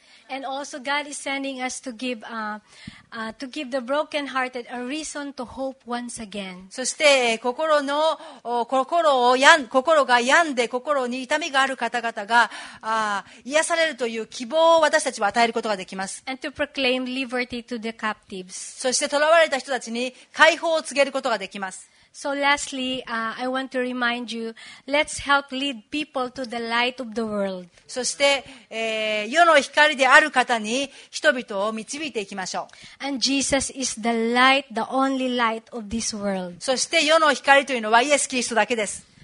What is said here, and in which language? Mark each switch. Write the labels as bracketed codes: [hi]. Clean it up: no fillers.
[en] And also, God is sending us to give the brokenhearted a reason to hope once again. [ja] そして心が病んで心に痛みがある方々が癒されるという希望を私たちは与えることができます。 [en] And to proclaim liberty to the captives. [ja] そして囚われた人たちに解放を告げることができます。 [en] So lastly, I want to remind you, let's help lead people to the light of the world. [ja] そして、世の光であある方に人々を導いていきましょう。 [en] And Jesus is the light, the only light of this world. [ja] そして世の光というのはイエス・キリストだけです。